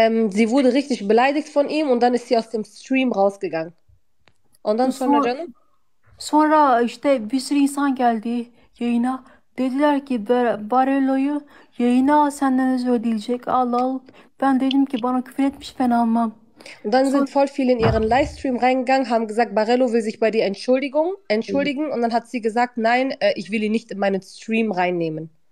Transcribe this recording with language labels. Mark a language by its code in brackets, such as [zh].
[de] Sie wurde richtig beleidigt von ihm und dann ist sie aus dem Stream rausgegangen. [tr] Ondan sonra canım. Sonra işte bir sürü insan geldi yayına. Dediler ki Barello'yu yayına senden özür dileyecek. Al al. Ben dedim ki bana küfür etmiş ben almam. [de] Und dann [tr] Sonra [de] sind voll viele in ihren Livestream reingegangen, haben gesagt, Barello will sich bei dir entschuldigen. Und dann hat sie gesagt, nein, ich will ihn nicht in meinen Stream reinnehmen.